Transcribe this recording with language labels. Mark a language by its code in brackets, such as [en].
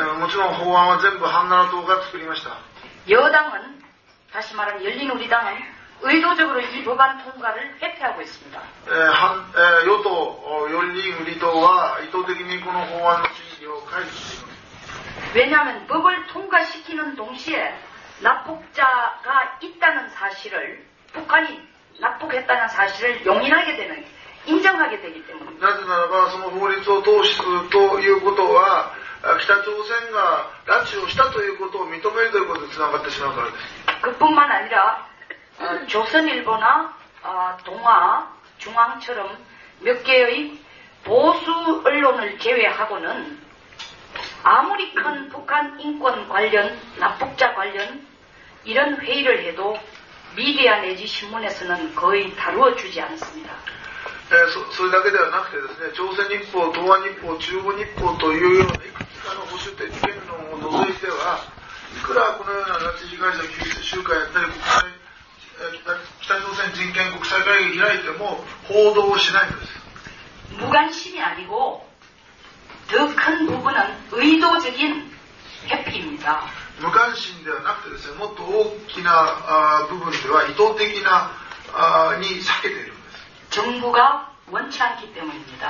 [ja] もちろん法案は全部한나라党が作りました。 [ko] 여당은다시말하면열린우리당은의도적으로이법안통과를회피하고있습니다。 [ja] 与党열린우리당は意図的にこの法案の審議を回避しています。 [ko] 왜냐하면법을통과시키는동시에 납북자가 있다는 사실을 북한이 납북했다는 사실을 용인하게 되는 인정하게 되기 때문입니다. [ja] なぜならばその法律を通すということは 北朝鮮が 拉致をしたということを認めるということにつながってしまうからです。 [ko] 그뿐만 아니라 조선일보나 동아, 중앙처럼 몇 개의 보수 언론을 제외하고는 아무리 큰 북한 인권 관련, 납북자 관련 이런 회의를 해도 미디어 내지 신문에서는 거의 다루어 주지 않습니다. [ja] それだけではなくてですね 조선일보, 동아일보, 중앙일보 というようないくつかの保守的言論を除いては いくらこのような拉致被害者救出集会やったり北朝鮮人権国際会議を開いても報道をしないんです。 [ko] 무관심이 아니고 더 큰 부분은 의도적인 회피입니다. 무관심 [ja] ではなくてですね、もっと大きな部分では意図的に避けているんです。 [ko] 정부가 원치 않기 때문입니다.